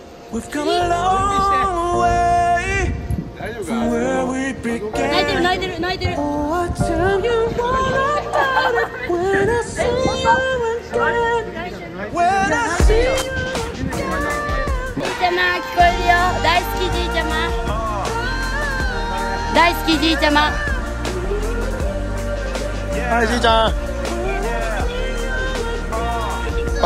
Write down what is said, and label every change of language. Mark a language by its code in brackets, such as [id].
[en] We've come a long way from where we began. Oh, I tell you all about it when I see you again. When I see you again. [ja] Jijama, 聞こえるよ。大好き Jijama。大好き Jijama。はい、Jijama。